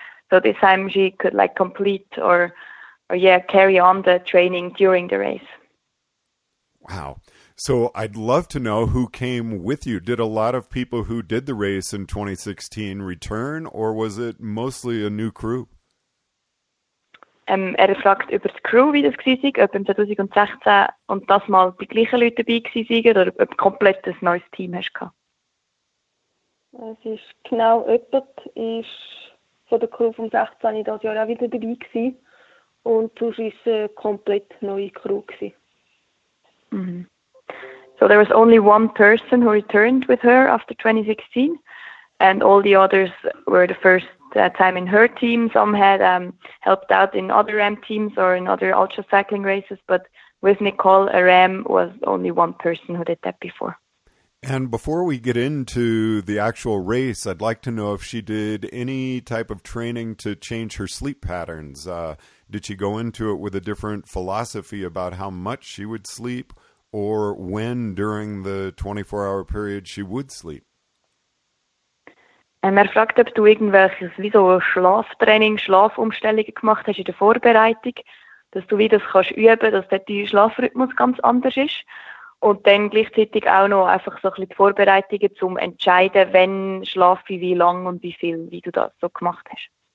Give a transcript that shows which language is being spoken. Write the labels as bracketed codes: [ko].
[en] So this time she could like complete or carry on the training during the race. Wow. So I'd love to know who came with you. Did a lot of people who did the race in 2016 return, or was it mostly a new crew? [de] Er fragt über die Crew, wie das gewesen ist, ob im 2016 und das mal die gleichen Leute dabei gewesen sind oder ob komplett ein neues Team hast gehabt. Es ist genau jemand, ist von der Crew vom 16 dieses Jahr auch wieder dabei gewesen und sonst war es eine komplett neue Crew gewesen. Mhm. [en] So there was only one person who returned with her after 2016 and all the others were the first time in her team. Some had helped out in other Ram teams or in other ultra cycling races, but with Nicole, a Ram was only one person who did that before. And before we get into the actual race, I'd like to know if she did any type of training to change her sleep patterns. Did she go into it with a different philosophy about how much she would sleep or when during the 24-hour period she would sleep? [de] Er fragt, ob du irgendwelches wie so Schlaftraining, Schlafumstellungen gemacht hast in der Vorbereitung, dass du wie das kannst üben, dass dort dein Schlafrhythmus ganz anders ist. Und dann gleichzeitig auch noch einfach so ein bisschen die Vorbereitungen, zum entscheiden, wenn schlafe ich, wie lang und wie viel, wie du das so gemacht hast.